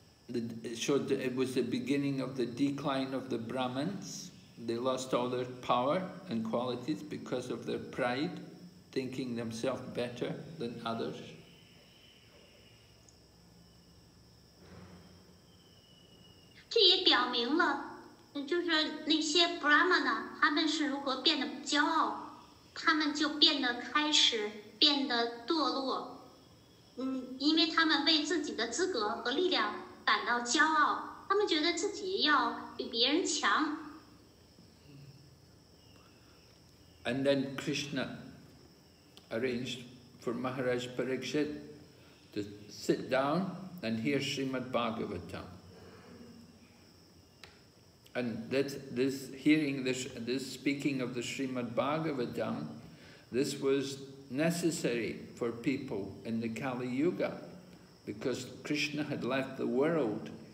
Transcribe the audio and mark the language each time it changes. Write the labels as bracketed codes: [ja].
[en] It showed that it was the beginning of the decline of the Brahmins. They lost all their power and qualities because of their pride, thinking themselves better than others. [zh] 这也表明了，就是那些 Brahmana 他们是如何变得骄傲，他们就开始变得堕落，因为他们为自己的资格和力量感到骄傲，他们觉得自己要比别人强。 [en] And then Krishna arranged for Maharaj Parikshit to sit down and hear Srimad Bhagavatam. And this speaking of the Srimad Bhagavatam, this was necessary for people in the Kali Yuga because Krishna had left the world.